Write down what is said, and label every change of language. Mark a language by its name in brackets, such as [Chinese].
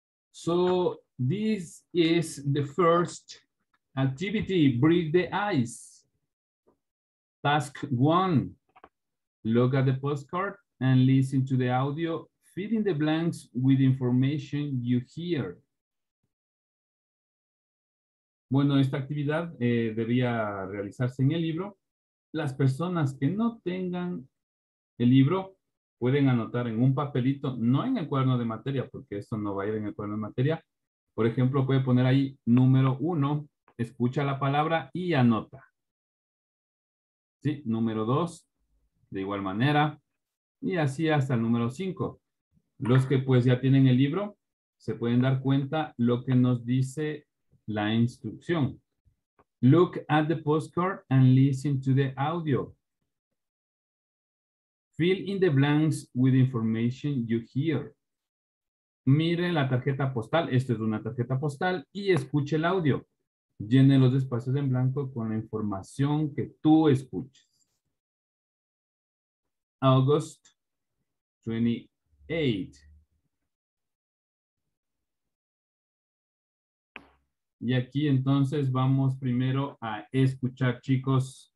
[English] So, this is the first activity, break the ice. Task one, look at the postcard and listen to the audio, fill in the blanks with information you hear. [Spanish] Bueno, esta actividad debía realizarse en el libro. Las personas que no tengan el libro pueden anotar en un papelito, no en el cuaderno de materia, porque esto no va a ir en el cuaderno de materia. Por ejemplo, puede poner ahí número uno, escucha la palabra y anota. ¿Sí? Número dos, de igual manera, y así hasta el número cinco. Los que pues ya tienen el libro, se pueden dar cuenta lo que nos dice la instrucción. [English] Look at the postcard and listen to the audio. Fill in the blanks with information you hear. [Spanish] Mire la tarjeta postal. Esto es una tarjeta postal y escuche el audio. Llene los espacios en blanco con la información que tú escuches. [English] August 28. [Spanish] Y aquí entonces vamos primero a escuchar, chicos.